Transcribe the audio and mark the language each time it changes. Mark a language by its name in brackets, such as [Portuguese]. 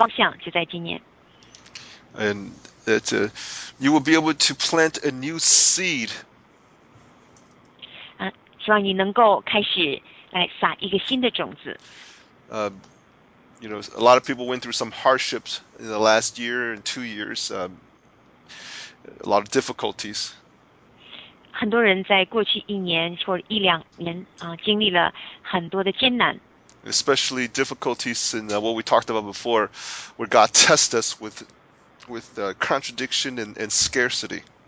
[Chinese] 过这个新年，让你可以得以更新，然后预备好，可以开始一个全新的一个意向，全新的一个方向，就在今年。 [English] And that you will be able to plant a new seed. [Chinese] 希望你能够开始来撒一个新的种子。 [English] You know, a lot of people went through some hardships in the last year and 2 years. A lot of difficulties. [Chinese] 很多人在过去一年或一两年经历了很多的艰难。 [English] Especially difficulties in what we talked about before, where God tests us with contradiction and scarcity.